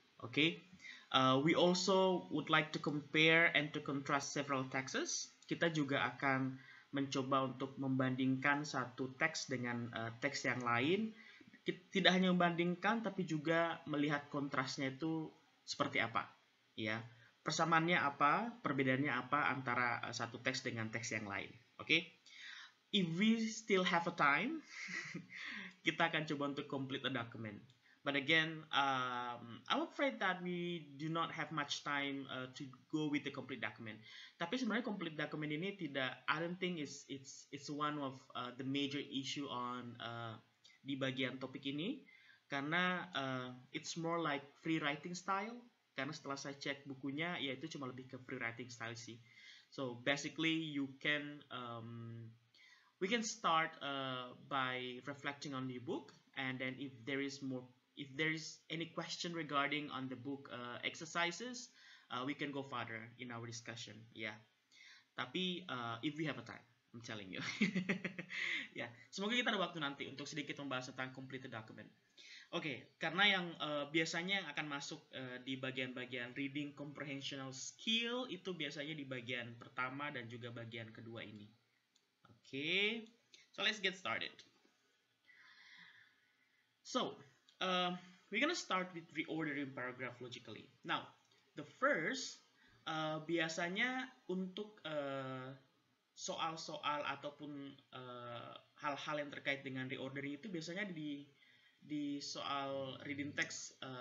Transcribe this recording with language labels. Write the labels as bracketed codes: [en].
[en] Okay, we also would like to compare and to contrast several texts. [id] Kita juga akan mencoba untuk membandingkan satu teks dengan teks yang lain. Tidak hanya membandingkan, tapi juga melihat kontrasnya itu seperti apa, ya. Persamaannya apa, perbedaannya apa antara satu teks dengan teks yang lain. [en] Oke? Okay? If we still have a time, [id] kita akan coba untuk [en] complete the document. But again, I'm afraid that we do not have much time to go with the complete document. [id] Tapi sebenarnya [en] complete document [id] ini tidak, [en] I don't think it's one of the major issue on [id] di bagian topik ini, karena [en] it's more like free writing style. [id] Karena setelah saya cek bukunya, ya itu cuma lebih ke [en] free writing style [id] sih. [en] So basically, you can we can start by reflecting on your book, and then if there is more, if there is any question regarding on the book exercises, we can go further in our discussion. Yeah. Tapi if we have a time, I'm telling you. [id] Yeah. Semoga kita ada waktu nanti untuk sedikit membahas tentang completed document. Okay. Karena yang biasanya yang akan masuk di bagian-bagian reading comprehensional skill itu biasanya di bagian pertama dan juga bagian kedua ini. [en] Okay. So let's get started. So we're gonna start with reordering paragraph logically. Now, the first, [id] biasanya untuk soal-soal ataupun hal-hal yang terkait dengan reordering itu biasanya di soal reading text.